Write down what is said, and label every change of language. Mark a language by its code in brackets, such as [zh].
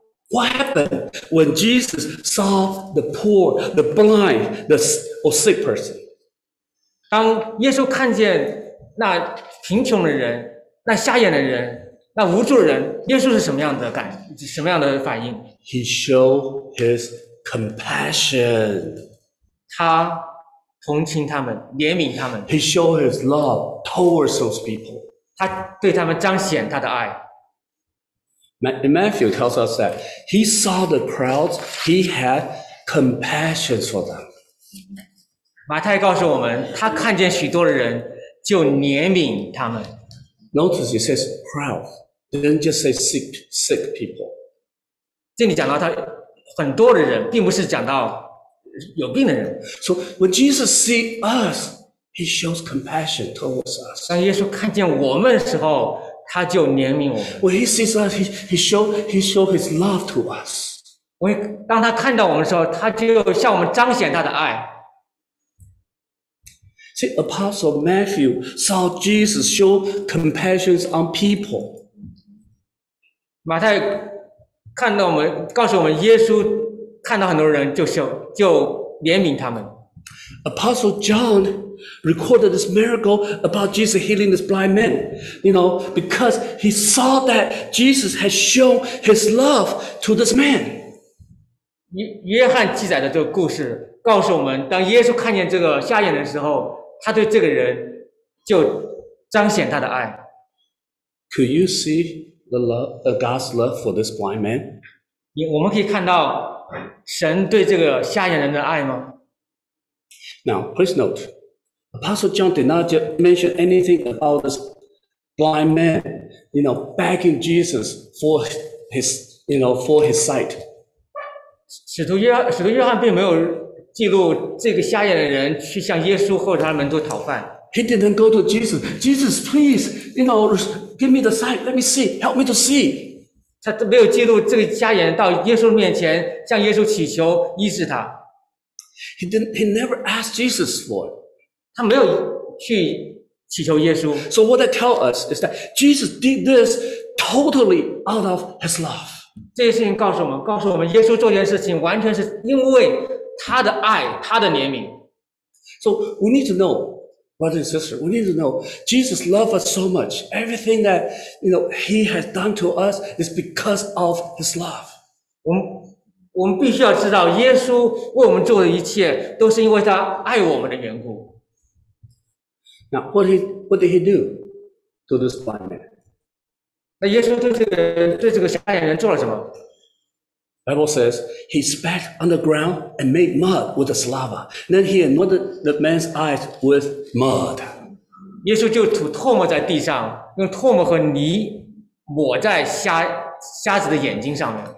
[en] What happened when Jesus saw the poor, the blind, the sick person? [zh] 当耶稣看见那贫穷的人、那瞎眼的人、那无助的人，耶稣是什么样的反应？ [en] He showed his compassion. [zh] 他同情他们，怜悯他们。 [en] He showed his love towards those people. [zh] 他对他们彰显他的爱。 [en] Matthew tells us that he saw the crowds, he had compassion for them. [zh] 马太告诉我们，他看见许多的人，就怜悯他们。 [en] Notice he says crowds, didn't just say sick people. [zh] 这里讲到他很多的人，并不是讲到有病的人。 [en] So when Jesus sees us, he shows compassion towards us. [zh] 当耶稣看见我们的时候，他就怜悯我们。 [en] When he sees us, he showed his love to us. [zh] 当他看到我们的时候，他就向我们彰显他的爱。 [en] See, Apostle Matthew saw Jesus show compassion on people. [zh] 马太看到我们，告诉我们耶稣看到很多人就怜悯他们。 [en] Apostle John. Recorded this miracle about Jesus healing this blind man, you know, because he saw that Jesus had shown his love to this man. [zh] 约翰记载的这个故事告诉我们，当耶稣看见这个瞎眼的时候，他对这个人就彰显他的爱。 [en] Could you see the God's love for this blind man? [zh] 我们可以看到神对这个瞎眼人的爱吗？ [en] Now, please note, Apostle John did not mention anything about this blind man, you know, begging Jesus for his, you know, for his sight. [zh] 使徒约翰并没有记录这个瞎眼的人去向耶稣或者他的门徒讨饭。 [en] He didn't go to Jesus. Jesus, please, you know, give me the sight. Let me see. Help me to see. [zh] 他都没有记录这个瞎眼到耶稣面前向耶稣祈求医治他。 [en] He never asked Jesus for it. [zh] 他没有去祈求耶稣。 [en] So what that tells us is that Jesus did this totally out of his love. [zh] 这些事情告诉我们耶稣做这件事情完全是因为他的爱，他的怜悯。 [en] So we need to know, brother and sister, we need to know Jesus loves us so much. Everything that, you know, he has done to us is because of his love. [zh] 我们必须要知道耶稣为我们做的一切都是因为他爱我们的缘故。 [en] Now, what did he do to this blind man? [zh] 那耶稣对这个瞎眼人做了什么？ [en] Bible says, he spat on the ground and made mud with the saliva. Then he anointed the man's eyes with mud. [zh] 耶稣就吐唾沫在地上，用唾沫和泥抹在瞎子的眼睛上面。